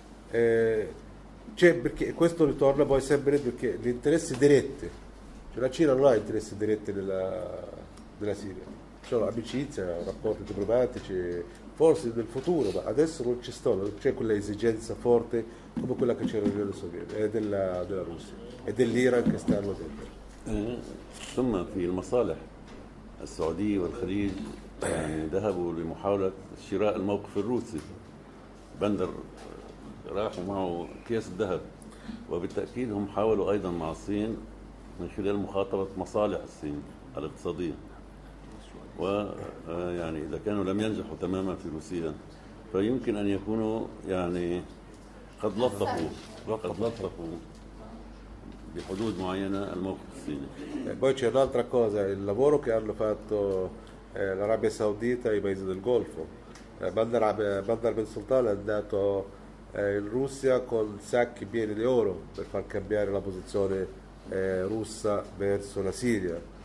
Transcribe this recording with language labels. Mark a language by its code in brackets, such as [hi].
[it] Cioè perché questo ritorna poi sempre perché gli interessi diretti, cioè la Cina non ha interessi diretti nella Siria, cioè amicizia, rapporti diplomatici, forse nel futuro, ma adesso non ci sono, non c'è quella esigenza forte come quella che c'era nell'Unione Sovietica, della Russia e dell'Iran che stanno dentro. Insomma, il masaleh. [ar] السعودية والخليج يعني ذهبوا لمحاولة شراء الموقف الروسي، بندر راح معه كيس الذهب، وبالتأكيد هم حاولوا أيضا مع الصين من خلال مخاطبة مصالح الصين الاقتصادية، ويعني إذا كانوا لم ينجحوا تماما في روسيا فيمكن أن يكونوا يعني قد لطفوا [it] E poi c'è un'altra cosa, il lavoro che hanno fatto l'Arabia Saudita e i paesi del Golfo. Bandar Ben Sultan è andato in Russia con sacchi pieni di oro per far cambiare la posizione russa verso la Siria.